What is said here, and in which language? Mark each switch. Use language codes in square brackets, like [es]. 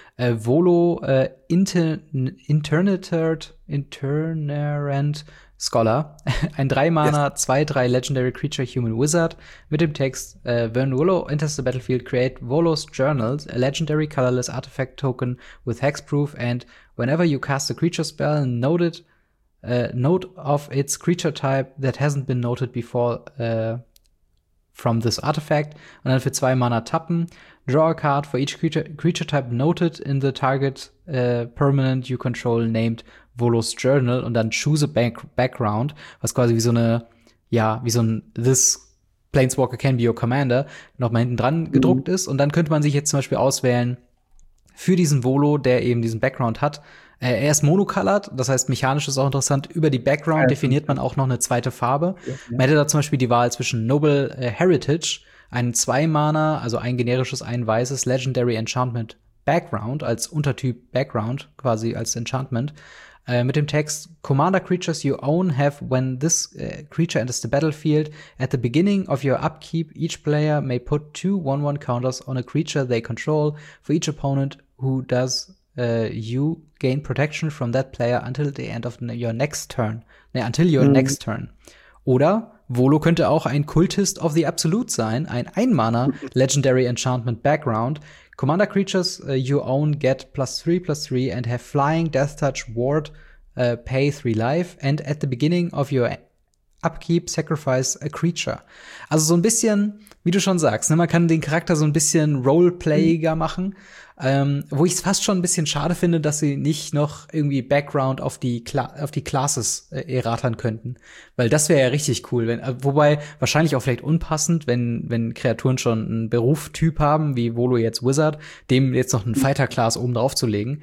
[en] Volo Internerant Scholar, ein 3-Mana, 2/3 Legendary Creature Human Wizard [de] mit dem Text [en] When Volo enters the battlefield, create Volo's Journals, a legendary colorless artifact token with hexproof and whenever you cast a creature spell, note of its creature type that hasn't been noted before from this artifact. [de] Und dann für 2 Mana tappen. [en] Draw a card for each creature type noted in the target permanent you control named Volo's Journal. [de] Und dann [en] choose a background, [de] was quasi wie so eine, ja, wie so ein [en] This Planeswalker can be your commander [de] noch mal hinten dran gedruckt ist. Und dann könnte man sich jetzt zum Beispiel auswählen für diesen Volo, der eben diesen Background hat. Er ist monocolored, das heißt, mechanisch ist auch interessant. Über die Background definiert man auch noch eine zweite Farbe. Ja. Man hätte da zum Beispiel die Wahl zwischen Noble Heritage, ein 2-Mana, also ein generisches, ein weißes Legendary Enchantment Background, als Untertyp Background, quasi als Enchantment, mit dem Text [en] Commander Creatures you own have when this creature enters the battlefield. At the beginning of your upkeep, each player may put 2/1/1 counters on a creature they control. For each opponent who does you gain protection from that player until the end of your next turn. [de] Nee, [en] until your next turn. [de] Oder Volo könnte auch ein Cultist of the Absolute sein, ein 1-Mana Legendary Enchantment Background. [en] Commander Creatures you own get +3/+3 and have flying, death touch, ward, pay 3 life and at the beginning of your upkeep sacrifice a creature. [de] Also so ein bisschen, wie du schon sagst, ne, man kann den Charakter so ein bisschen roleplayiger machen. Wo ich es fast schon ein bisschen schade finde, dass sie nicht noch irgendwie Background auf die Classes erratern könnten. Weil das wäre ja richtig cool. Wobei wahrscheinlich auch vielleicht unpassend, wenn Kreaturen schon einen Berufstyp haben, wie Volo jetzt Wizard, dem jetzt noch einen Fighter-Class oben drauf zu legen.